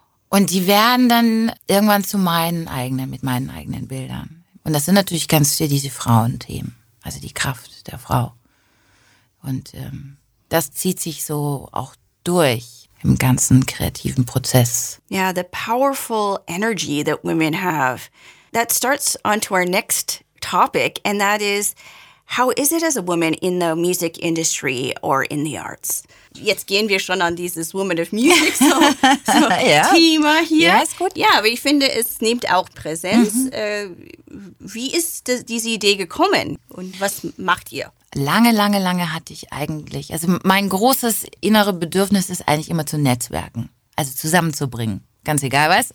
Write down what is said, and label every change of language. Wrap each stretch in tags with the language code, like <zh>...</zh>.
<de>Und die werden dann irgendwann zu meinen eigenen, mit meinen eigenen Bildern. Und das sind natürlich ganz viele diese Frauenthemen, also die Kraft der Frau. Und das zieht sich so auch durch im ganzen kreativen Prozess.</de> <en>Yeah, the powerful energy that women have, that starts onto our next topic, and that is, how is it as a woman in the music industry or in the arts?</en> <de>Jetzt gehen wir schon an dieses Woman of Music so ja. Thema hier. Ja, ist gut. Ja, aber ich finde, es nimmt auch Präsenz. Mhm. Wie ist diese Idee gekommen und was macht ihr? Lange, lange, lange hatte ich eigentlich, also mein großes innere Bedürfnis ist eigentlich immer zu netzwerken, also zusammenzubringen, ganz egal was.</de>